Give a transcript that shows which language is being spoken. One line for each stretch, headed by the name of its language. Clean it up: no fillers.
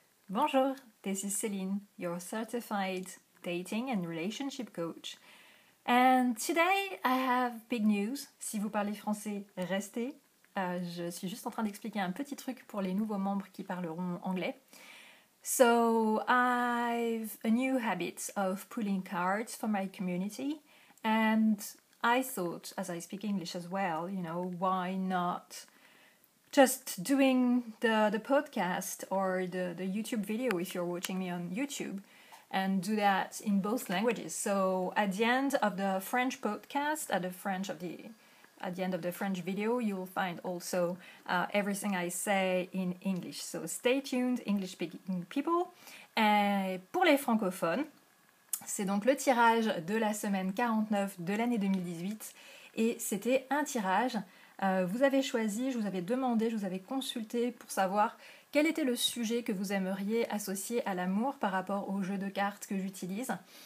English: Bonjour, this is Céline, your certified dating and relationship coach. And today, I have big news.
French: Si vous parlez français, restez. Je suis juste en train d'expliquer un petit truc pour les nouveaux membres qui parleront anglais.
English: So, I've a new habit of pulling cards for my community. And I thought, as I speak English as well, you know, why not just doing the podcast or the YouTube video if you're watching me on YouTube and do that in both languages. So at the end of the French podcast, at the end of the French video, you'll find also everything I say in English. So stay tuned, English speaking people.
French: Et pour les francophones, c'est donc le tirage de la semaine 49 de l'année 2018 et c'était un tirage. Vous avez choisi, je vous avais demandé, je vous avais consulté pour savoir quel était le sujet que vous aimeriez associer à l'amour par rapport au jeu de cartes que j'utilise.